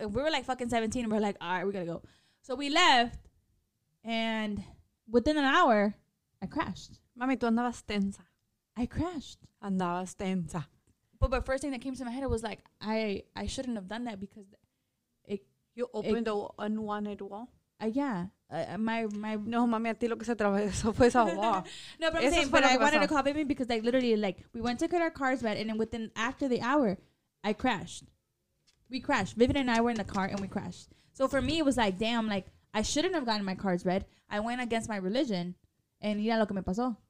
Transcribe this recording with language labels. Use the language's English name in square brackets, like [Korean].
[English] And we were like fucking 17, and we're like, all right, we gotta go. So we left, and within an hour, I crashed. [Spanish] Mami, tú andabas tensa. [English] I crashed. [Spanish] Andabas tensa. [English] But the first thing that came to my head was like, I shouldn't have done that because you opened an unwanted wall? My [Spanish] no, mami, a ti lo que se atravesó fue esa wall. [English] No, but I'm saying, but I wanted to call baby because, like, literally, like, we went to get our cars read, and then within, after the hour, I crashed. We crashed. Vivian and I were in the car, and we crashed. So for me, it was like, damn, like, I shouldn't have gotten my cars read. I went against my religion, and [Spanish] mira lo que me pasó.